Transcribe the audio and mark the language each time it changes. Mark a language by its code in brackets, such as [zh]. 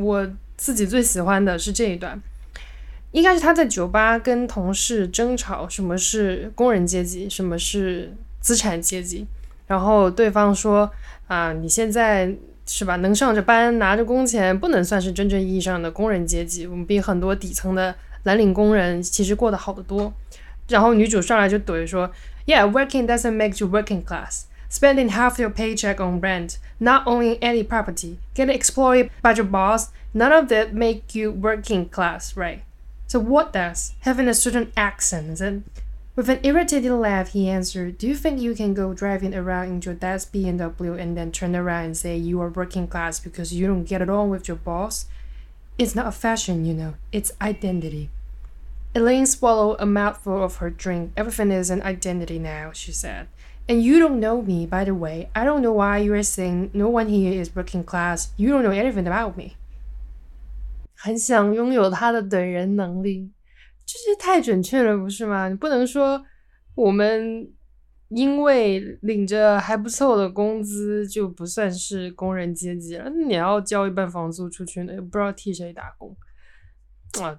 [zh] 我自己最喜欢的是这一段，应该是他在酒吧跟同事争吵什么是工人阶级，什么是资产阶级，然后对方说啊，你现在是吧，能上着班拿着工钱不能算是真正意义上的工人阶级，我们比很多底层的蓝领工人其实过得好得多。然后女主上来就怼说 [en] Yeah, working doesn't make you working class. Spending half your paycheck on rent, not owning any property, getting exploited by your boss, none of that make you working class, right? So what does having a certain accent is it? With an irritated laugh, he answered, Do you think you can go driving around in your dad's BMW and then turn around and say you are working class because you don't get along with your boss? It's not a fashion, you know. It's identity. Elaine swallowed a mouthful of her drink. Everything is an identity now, she said. And you don't know me, by the way. I don't know why you are saying no one here is working class. You don't know anything about me. [zh] 很想拥有他的怼人能力，这是太准确了，不是吗？你不能说我们因为领着还不错的工资就不算是工人阶级了，你要交一半房租出去呢，也不知道替谁打工啊！